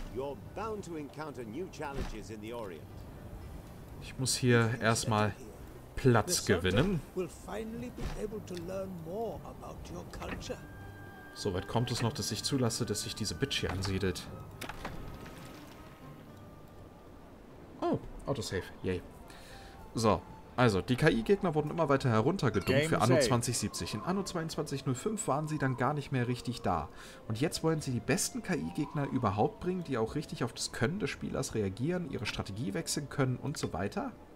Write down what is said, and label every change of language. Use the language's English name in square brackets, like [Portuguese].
[English] You're bound to encounter new challenges in the Orient. [German] Ich muss hier erstmal Platz gewinnen. [English] We'll finally be able to learn more about your culture. [German] Soweit kommt es noch, dass ich zulasse, dass sich diese Bitch hier ansiedelt. Oh, Autosave, yay. So, also, die KI-Gegner wurden immer weiter heruntergedummt für Anno 2070. In Anno 2205 waren sie dann gar nicht mehr richtig da. Und jetzt wollen sie die besten KI-Gegner überhaupt bringen, die auch richtig auf das Können des Spielers reagieren, ihre Strategie wechseln können und so weiter?